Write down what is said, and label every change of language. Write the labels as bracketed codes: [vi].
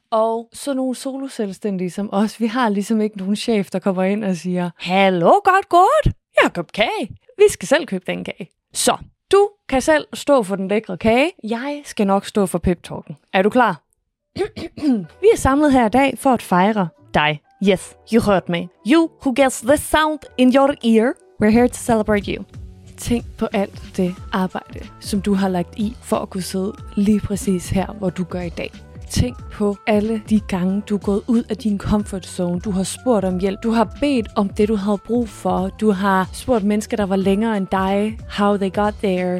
[da] Og så nogle soloselvstændige som os, vi har ligesom ikke nogen chef, der kommer ind og siger, hallo, godt, jeg har købt kage. Vi skal selv købe den kage. Så, du kan selv stå for den lækre kage. Jeg skal nok stå for pep-talken. Er du klar? Vi er samlet her i dag for at fejre dig. [en] Yes, you heard me. You who gets this sound in your ear. We're here to celebrate you. [da] Tænk på alt det arbejde, som du har lagt i for at kunne sidde lige præcis her, hvor du gør i dag. Tænk på alle de gange, du er gået ud af din comfort zone. Du har spurgt om hjælp. Du har bedt om det, du havde brug for. Du har spurgt mennesker, der var længere end dig. [en] How they got there.